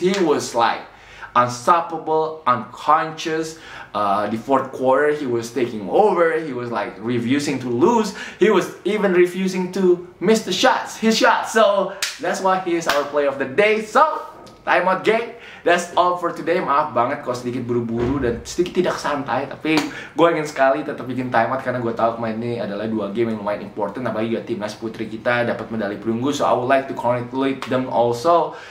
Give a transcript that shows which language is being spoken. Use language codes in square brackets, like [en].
[en] He was like unstoppable, unconscious. The fourth quarter, he was taking over. He was like refusing to lose. He was even refusing to miss the shots, his shots. So that's why he is our player of the day. So time out, gang. That's all for today. [id] Maaf banget kalau sedikit buru-buru dan sedikit tidak santai. Tapi gue ingin sekali tetap bikin timeout karena gue tahu kemarin ini adalah dua game yang lumayan important. Apalagi juga timnas putri kita dapat medali perunggu. [en] So I would like to congratulate them also.